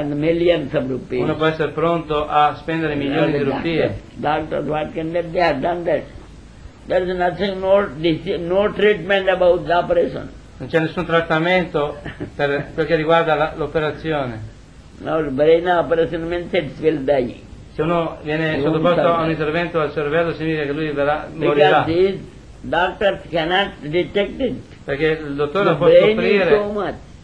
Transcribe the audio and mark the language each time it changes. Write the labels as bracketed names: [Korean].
[Italian] Uno può essere pronto a spendere milioni di rupie. [English] Doctors, what can they do? They have done that. There is nothing, no treatment about the operation. [Italian] Non c'è nessun trattamento per quel che riguarda l'operazione. [English] No, brain operation means it will die. [Italian] Se uno viene sottoposto a un intervento al cervello, significa che lui verrà, morirà. [English] Doctors cannot detect it. [Italian] Perché il dottore non può scoprire.